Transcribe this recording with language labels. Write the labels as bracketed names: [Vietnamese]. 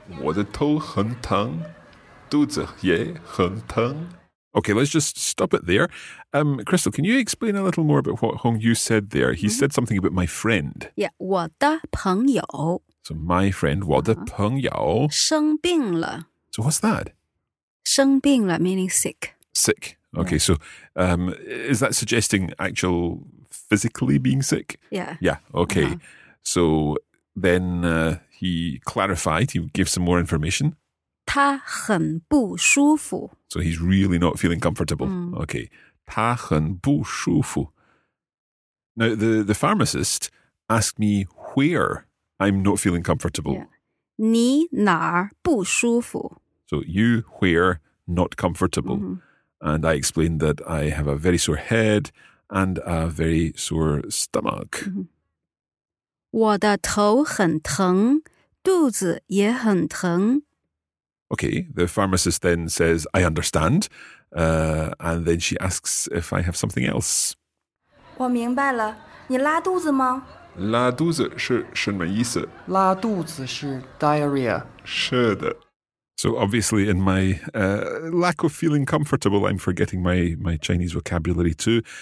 [Chinese] 我的头很疼，肚子也很疼。 [English] Okay, let's just stop it there. Crystal, can you explain a little more about what Hong Yu said there? He said something about my friend. [Chinese] Yeah, 我的朋友。 [English] So my friend, [Chinese] 我的朋友。生病了。 [English] So what's that? [Chinese] 生病了 [English] meaning sick. Sick. Okay, yeah. So is that suggesting actual physically being sick? Yeah. Yeah, okay. Uh-huh. So then he clarified, he gave some more information. [Chinese] 他很不舒服。 [English] So he's really not feeling comfortable. Okay. [Chinese] 他很不舒服。 [English] Now, the pharmacist asked me where I'm not feeling comfortable. [Chinese] Yeah. 你哪儿不舒服? [English] So you, where, not comfortable. Mm-hmm. And I explained that I have a very sore head and a very sore stomach. Mm-hmm. [Chinese] 我的头很疼，肚子也很疼。 [English] Okay, the pharmacist then says, I understand. And then she asks if I have something else. [Chinese] 我明白了，你拉肚子吗？拉肚子是什么意思？拉肚子是 diarrhea. 是的。 [English] So obviously in my lack of feeling comfortable, I'm forgetting my Chinese vocabulary too.